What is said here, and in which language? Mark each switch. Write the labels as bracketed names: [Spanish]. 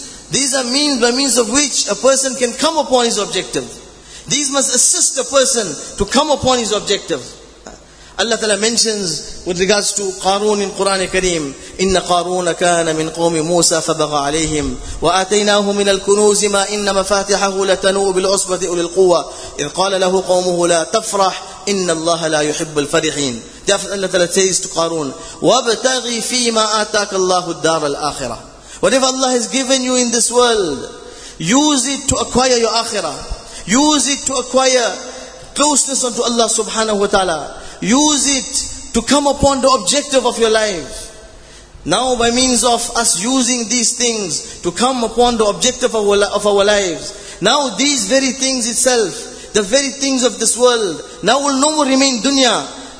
[English] These are means by means of which a person can come upon his objective. These must assist a person to come upon his objective. Allah Ta'ala mentions with regards to Qarun in Quran Kareem, [Arabic] إِنَّ قَارُونَ كَانَ مِنْ قَوْمِ مُوسَى فَبَغَى عَلَيْهِمْ وَآتَيْنَاهُ مِنَ الْكُنُوزِ مَا إِنَّ مَفَاتِحَهُ لَتَنُوءُ بِالْعُصْبَةِ أُولِي الْقُوَّةِ إِذْ قَالَ لَهُ قَوْمُهُ لَا تَفْرَحْ إِنَّ اللَّهَ لَا يُحِبُّ الْفَرِحِينَ. [English] Therefore Allah Ta'ala says to Qarun, [Arabic] وَابْتَغِ فِي مَا آتَاكَ اللَّهُ الدَّارَ الْآخِرَةِ. [English] Whatever Allah has given you in this world, use it to acquire your akhirah. Use it to acquire closeness unto Allah subhanahu wa ta'ala. Use it to come upon the objective of your life. Now by means of us using these things to come upon the objective of our lives, now these very things itself, the very things of this world, now will no more remain dunya.